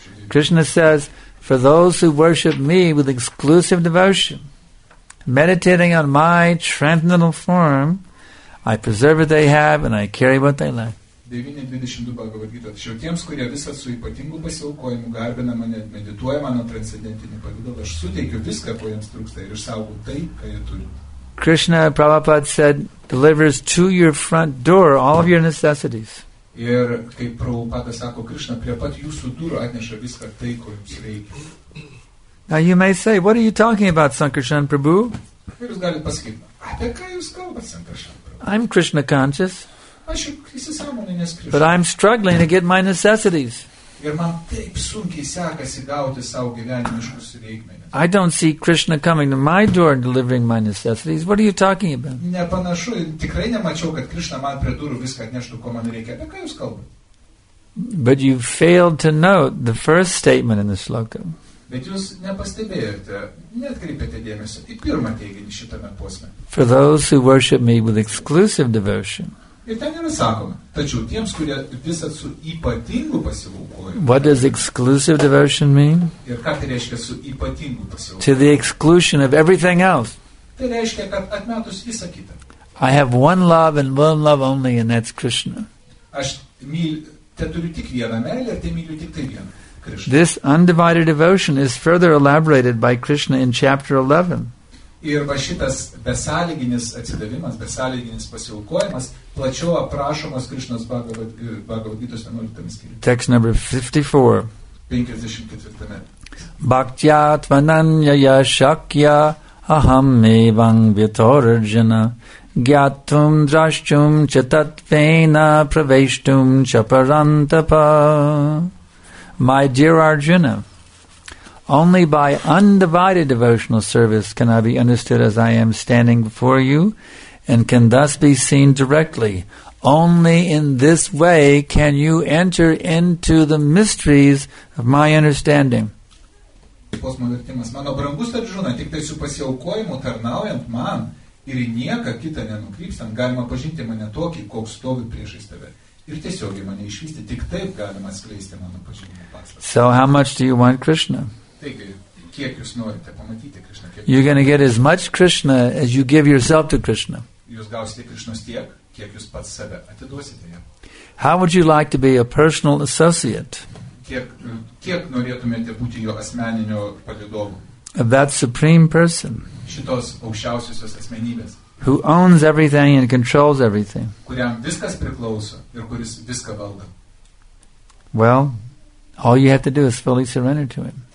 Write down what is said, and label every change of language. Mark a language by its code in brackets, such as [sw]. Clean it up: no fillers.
[en] Krishna says, for those who worship me with exclusive devotion, meditating on my transcendental form, I preserve what they have and I carry what they lack. 9:22 Bhagavad Gita. [lt] Tačiau tiems, kurie visą su ypatingu pasiaukojimu garbina mane, medituoja mano transcendentinį pavidalą, aš suteikiu viską, ko jiems trūksta ir išsaugau tai, ką jie turi. [en] Krishna, Prabhupada said, delivers to your front door all of your necessities. [lt] Ir kaip Prabhupada sako, Krishna prie pat jūsų durų atneša viską tai, ko jums reikia. [en] Now you may say, what are you talking about, Sankarshan Prabhu? [lt] Ir jūs galite pasakyti, apie ką jūs kalbate, Sankarshan [en] Prabhu? I'm Krishna conscious. [lt] Aš juk įsisąmoninęs Krishna. [en] But I'm struggling to get my necessities. [lt] Ir man taip sunkiai sekasi gauti savo gyvenimiškus reikmenis. [en] I don't see Krishna coming to my door and delivering my necessities. What are you talking about? [lt] Nepanašu, tikrai nemačiau, kad Krishna man prie durų viską atneštų, ko man reikia. Apie ką jūs kalbate? [en] But you failed to note the first statement in the sloka. [lt] Bet jūs nepastebėjote, neatkreipėte dėmesio į pirmą teiginį šitame posme. [en] For those who worship me with exclusive devotion. [lt] Ir ten yra sakoma, tačiau tiems, kurie visat su ypatingu pasivaukojimu. [en] What does exclusive devotion mean? [lt] Ir ką tai reiškia su ypatingu pasivaukojimu? [en] To the exclusion of everything else. [lt] Tai reiškia, kad atmetus visą kitą. [en] I have one love and one love only, and that's Krishna. [lt] Aš turiu tik vieną meilę, ir tai myliu tik tai vieną. Krishna. [en] This undivided devotion is further elaborated by Krishna in chapter 11. [lt] Ir va šitas besąlyginis atsidavimas, besąlyginis pasiaukojimas, plačiau aprašomas Krishnas Bhagavad Gita 11. skyriuje. [en] Text number 54. 54. [sa] Bhaktya tvananya shakya aham evam vitorjana gyatum drashtum chatatvena praveshtum chaparantapa. [en] My dear Arjuna, only by undivided devotional service can I be understood as I am standing before you and can thus be seen directly. Only in this way can you enter into the mysteries of my understanding. [lt] Mano brangus Arjuna, tik tai su pasiaukojimu tarnaujant man ir į nieką kitą nenukrypstant, galima pažinti mane tokį, koks stovi priešais tave. Ir tiesiog į mane išvysti, tik taip galima atskleisti mano pažinimo paslaptį. [en] So how much do you want Krishna? [lt] Taigi, kiek jūs norite pamatyti Krishna? [en] You're going to get as much Krishna as you give yourself to Krishna. [lt] Jūs gausite Krishnos tiek, kiek jūs pats save atiduosite jam. [en] How would you like to be a personal associate? [lt] Kiek norėtumėte būti jo asmeniniu palydovu? [en] Of that supreme person. [lt] Šitos aukščiausiosios asmenybės. [en] Who owns everything and controls everything. [lt] Kuriam viskas priklauso ir kuris viską valdo. [en] Well, all you have to do is fully surrender to him.